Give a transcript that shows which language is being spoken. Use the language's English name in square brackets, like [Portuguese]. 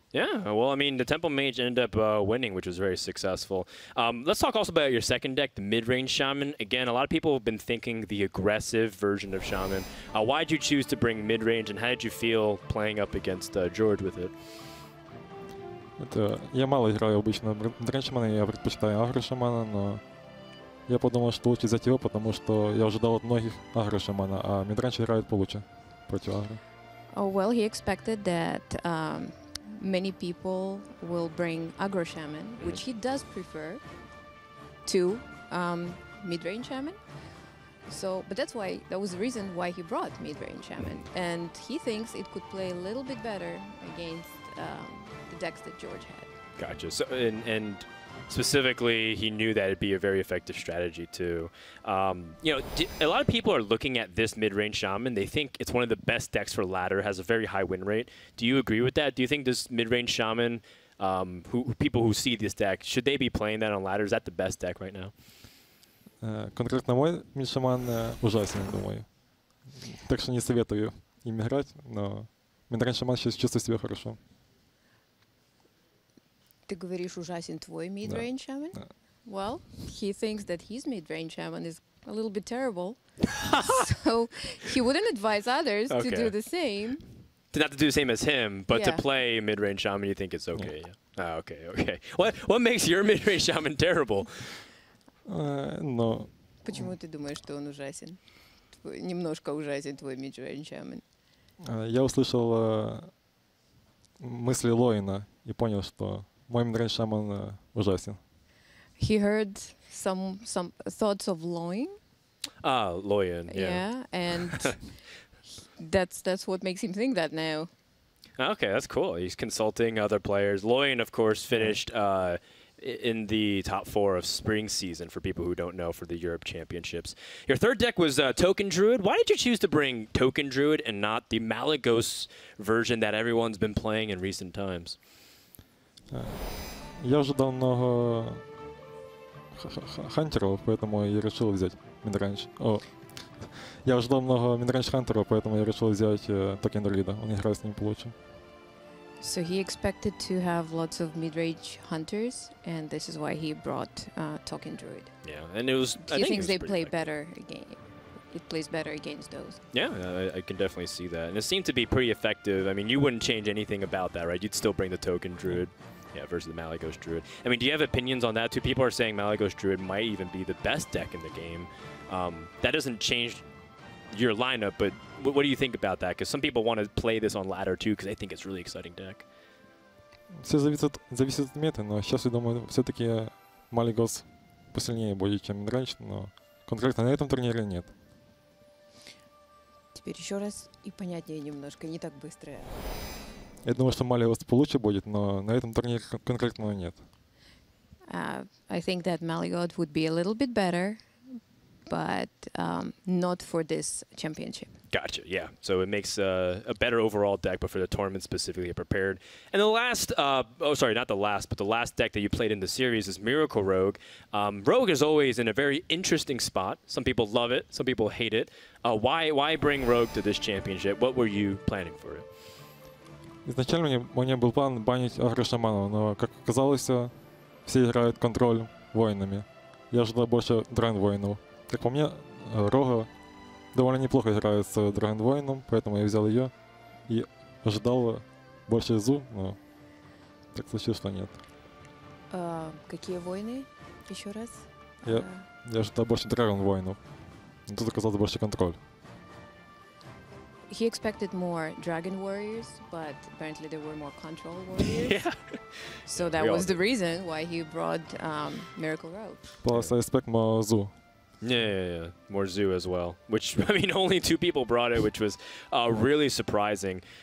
[English] Yeah, well, I mean, the Tempo Mage ended up winning, which was very successful. Let's talk also about your second deck, the mid-range Shaman. Again, a lot of people have been thinking the aggressive version of Shaman. Why did you choose to bring mid-range, and how did you feel playing up against George with it? [Russian] Я мало играю обычно Дрейн Шамана, я предпочитаю Агро Шамана, но я подумал, что лучше взять его, потому что я ожидал от многих Агро Шамана, а мид-range играет получше против Агро. [English] Oh, well, he expected that... Many people will bring Aggro Shaman, which he does prefer, to Midrange Shaman. So, but that's why, that was the reason why he brought Midrange Shaman. And he thinks it could play a little bit better against the decks that George had. Gotcha. So, and specifically, he knew that it'd be a very effective strategy too. You know, a lot of people are looking at this mid-range Shaman. They think it's one of the best decks for ladder, has a very high win rate. Do you agree with that? Do you think this mid-range Shaman, people who see this deck, should they be playing that on ladder? Is that the best deck right now? [Russian] Конкретно мой мид-шаман ужасный, думаю. Так что не советую им играть, но мид-рейндж шаман сейчас чувствует себя хорошо. Ты говоришь ужасен твой мид-рейндж шаман? [English] Well, he thinks that his mid-range shaman is a little bit terrible. So he wouldn't advise others to do the same. Not to do the same as him, but to play mid-range shaman, you think it's okay. Yeah. What makes your mid-range shaman terrible? [Russian] Но почему ты думаешь, что он ужасен? Немножко ужасен твой mid-range shaman. Я услышал мысли Лоина и понял, что мой mid-range shaman ужасен. [English] He heard some thoughts of Loin. Loin. Yeah, and that's what makes him think that now. Okay, that's cool. He's consulting other players. Loin, of course, finished in the top four of spring season, for people who don't know, for the Europe Championships. Your third deck was Token Druid. Why did you choose to bring Token Druid and not the Malygos version that everyone's been playing in recent times? [Russian] Я уже давно хантеров, поэтому я решил взять Мидранч. Я ждал много Midrange Hunter, поэтому я решил взять Token Druid. Он играл с ним получше. [English] So he expected to have lots of Midrange Hunters, and this is why he brought Token Druid. Yeah, and it was. He thinks they play better again. It plays better against those. Yeah, I can definitely see that, and it seemed to be pretty effective. I mean, you wouldn't change anything about that, right? You'd still bring the Token Druid. Yeah, versus the Malygos Druid. I mean, do you have opinions on that too? People are saying Malygos Druid might even be the best deck in the game. That doesn't change your lineup, but what do you think about that? Because some people want to play this on ladder too because they think it's a really exciting deck. [Russian] Все зависит от меты, но сейчас я думаю, все-таки Malygos посильнее будет, чем Midrange, но конкретно на этом турнире нет. Теперь еще раз и понятнее немножко, не так быстро. Я думаю, что Malygos получше будет, но на этом турнире конкретно нет. [English] I think that Malygos would be a little bit better. But not for this championship. Gotcha, yeah. So it makes a better overall deck, but for the tournament specifically, it prepared. And the last, the last deck that you played in the series is Miracle Rogue. Rogue is always in a very interesting spot. Some people love it, some people hate it. Why bring Rogue to this championship? What were you planning for it? [Russian] Изначально у меня был план банить Агро Шамана, но, как оказалось, все играют контроль воинами. Я ожидал больше драйн воинов. Как по мне, Рога довольно неплохо играет с Dragon Воином, поэтому я взял ее и ожидал больше Зу, но так случилось, что нет. Какие войны? Еще раз. Я ожидал больше Dragon Воинов. Тут оказался больше контроль. [English] He expected more Dragon Warriors, but apparently there were more control warriors. Yeah. So that was the reason why he brought Miracle Rogue. Plus, I expect more Zu. Yeah. More Zoo as well. Which, I mean, only two people brought it, which was really surprising.